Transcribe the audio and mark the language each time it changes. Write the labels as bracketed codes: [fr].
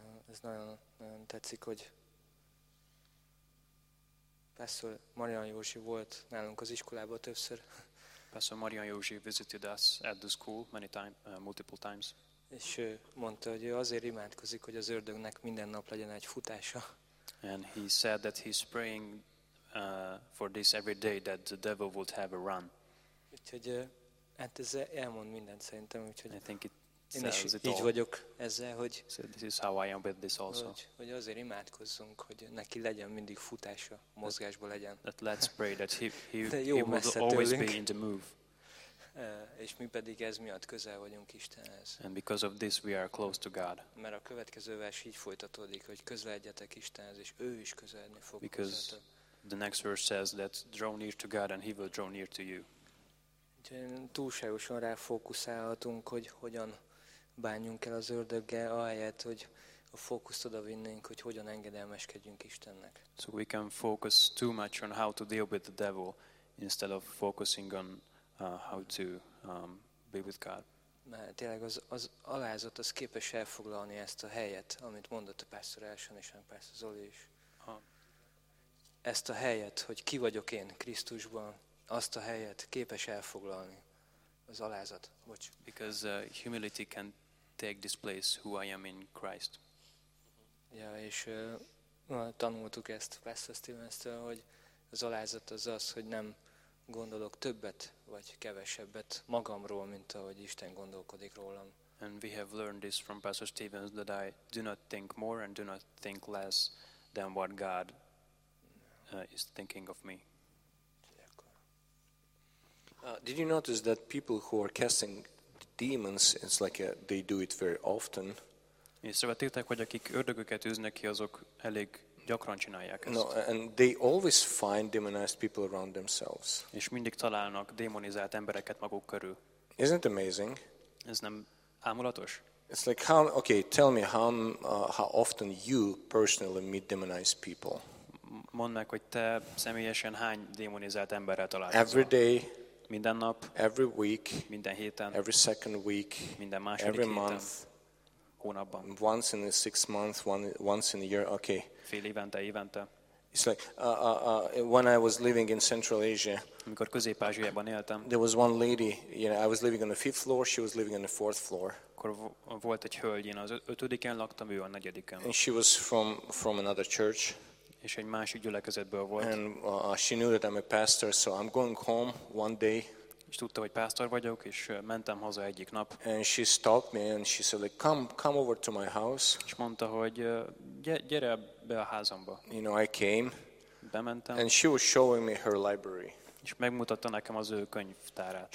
[hu] Ez nagyon, nagyon tetszik, hogy Pastor Marian Józsi volt nálunk az iskolában többször. [en] Pastor Marian Józsi visited us at the school many times, multiple times. [hu] És ő mondta, hogy ő azért imádkozik, hogy az ördögnek minden nap legyen egy futása. [en] And he said that he's praying for this every day, that the devil would have a run. [hu] Úgyhogy hát ez elmond mindent szerintem, úgyhogy [en] I think it [hu] én is [en] it [hu] így [en] all. [hu] Vagyok ezzel, hogy [en] so this is how I am with this also. [hu] Hogy azért imádkozzunk, hogy neki legyen mindig futása, mozgásba legyen. [en] That let's pray that he will always be in the move. [hu] És mi pedig ez miatt közel vagyunk Istenhez. [en] And because of this we are close to God. [hu] Mert a következő vers így folytatódik, hogy közeledjetek Istenhez, és ő is közeledni fog. [en] Because the next verse says that draw near to God and he will draw near to you. [hu] Túlságosan ráfókuszálhatunk, hogy hogyan bánjunk el az ördöggel, ahelyett, hogy a fókuszt oda vinnénk, hogy hogyan engedelmeskedjünk Istennek. [en] So we can focus too much on how to deal with the devil instead of focusing on how to be with God. [hu] Mert tényleg az alázat az képes elfoglalni ezt a helyet, amit mondott a pásztor Elson és a pásztor Zoli is. Ezt a helyet, hogy ki vagyok én Krisztusban, azt a helyet képes elfoglalni. Az alázat. Bocs. [en] Because humility can take this place who I am in Christ. [hu] Ja, és tanultuk ezt Pastor Stevenstől, hogy az alázat az, hogy nem gondolok többet vagy kevesebbet magamról, mint ahogy Isten gondolkodik rólam. [en] And we have learned this from Pastor Stevens that I do not think more and do not think less than what God is thinking of me. Did you notice that people who are casting demons, it's like they do it very often? [hu] Észrevettétek, hogy akik ördögöket üznek ki, azok elég gyakran csinálják ezt. [en] No, and they always find demonized people around themselves. [hu] És mindig találnak démonizált embereket maguk körül. [en] Isn't it amazing? [hu] Ez nem ámulatos? [en] It's like how, okay, tell me how often you personally meet demonized people. [hu] Mondd meg, hogy te személyesen hány démonizált emberrel találkozol. [en] Every day. [hu] Minden nap. [en] Every week. [hu] Minden héten. [en] Every second week. [hu] Minden második [en] every [hu] héten. [en] Month. [hu] Hónapban. [en] Once in a 6 months, once in a year, okay. [hu] Fél évente. [en] It's like when I was living in Central Asia. [hu] Amikor Közép-Ázsiában éltem. [en] There was one lady, you know, I was living on the 5th floor, she was living on the 4th floor. [hu] Akkor volt egy hölgy, én az ötödiken laktam, ő a negyediken. [en] And she was from another church. [hu] És egy másik gyülekezetből volt. [en] And she knew that I'm a pastor, so I'm going home one day. [hu] És tudta, hogy pásztor vagyok, és mentem haza egyik nap. [en] And she stopped me and she said, like, come over to my house. [hu] És mondta, hogy gyere be a házamba. [en] You know, I came. [hu] Bementem. [en] And she was showing me her library. [hu] És megmutatta nekem az ő könyvtárát.